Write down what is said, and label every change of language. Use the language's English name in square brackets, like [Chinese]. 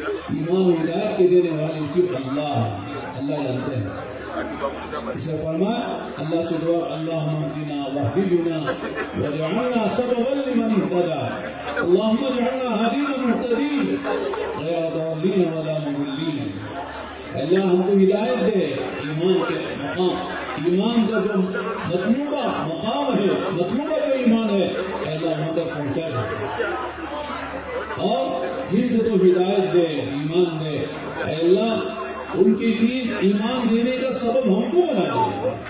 [Urdu] امام ہدایت کے دینے والے صرف اللہ ہے، اللہ جانتے ہیں. اس نے فرمایا اللہ سے دعا، [Arabic] اللہم اهدنا واهدنا واجعلنا سببا لمن اهتدى، اللهم اجعلنا هادين مهتدين غير ضالين ولا مضلين. [Urdu] اللہ ہم کو ہدایت دے. ایمان کے مقام، ایمان کا جو مطلوبہ مقام ہے، مطلوبہ جو ایمان ہے، اللہ ہم تک پہنچا دے. اور دین کو تو ہدایت دے، ایمان دے. اللہ ان کے دین ایمان دینے کا سبب ہم کو بنا دے.